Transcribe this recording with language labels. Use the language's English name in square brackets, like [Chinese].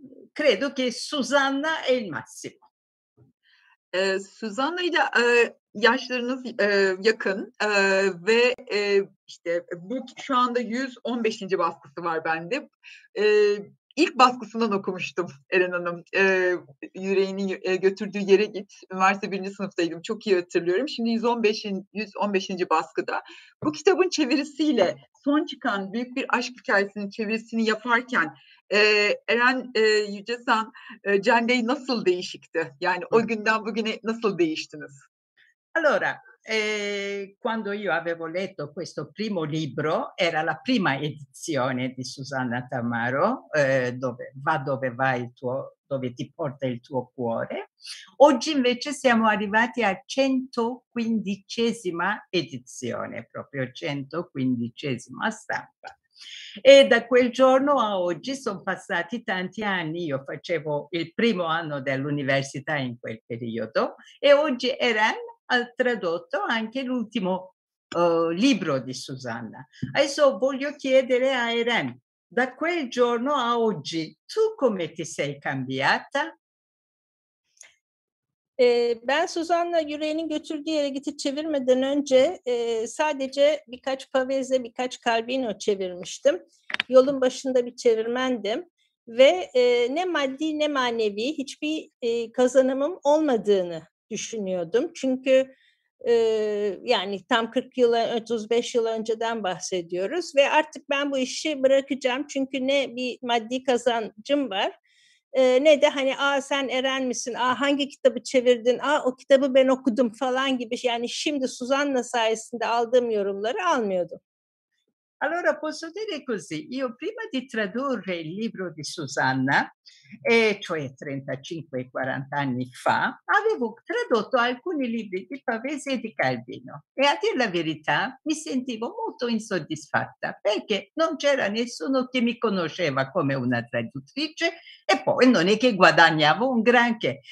[Italian] Credo che Susanna è il massimo. [Turkish] Susanna ile yaşlarınız yakın ve işte bu şu anda 115. baskısı var bende. İlk baskısından okumuştum Eren Hanım. Yüreğinin götürdüğü yere git. Üniversite 1. sınıftaydım. Çok iyi hatırlıyorum. Şimdi 115. baskıda. Bu kitabın çevirisiyle, son çıkan Büyük Bir Aşk Hikayesi'nin çevirisini yaparken Eren Yücesan, Cende'yi nasıl değişikti? Yani o günden bugüne nasıl değiştiniz? [Italian] Allora, quando io avevo letto questo primo libro, era la prima edizione di Susanna Tamaro, dove va dove va il tuo, dove ti porta il tuo cuore. Oggi invece siamo arrivati a 115esima edizione, proprio 115esima stampa. E da quel giorno a oggi sono passati tanti anni, io facevo il primo anno dell'università in quel periodo e oggi Eren ha tradotto anche l'ultimo libro di Susanna. Adesso voglio chiedere a Eren, da quel giorno a oggi, tu come ti sei cambiata? [Turkish] Ben Susanna Yüreğinin Götürdüğü Yere Git'i çevirmeden önce sadece birkaç Pavese, birkaç Calvino çevirmiştim. Yolun başında bir çevirmendim ve ne maddi ne manevi hiçbir kazanımım olmadığını düşünüyordum. Çünkü yani tam 40 yıl, 35 yıl önceden bahsediyoruz ve artık ben bu işi bırakacağım çünkü ne bir maddi kazancım var. Ne de hani sen Eren misin, hangi kitabı çevirdin, o kitabı ben okudum falan gibi. Yani şimdi Susanna sayesinde aldığım yorumları almıyordum. [Italian] Allora posso dire così, io prima di tradurre il libro di Susanna, cioè 35-40 anni fa, avevo tradotto alcuni libri di Pavese e di Calvino. E a dire la verità mi sentivo molto insoddisfatta perché non c'era nessuno che mi conosceva come una traduttrice e poi non è che guadagnavo un granché.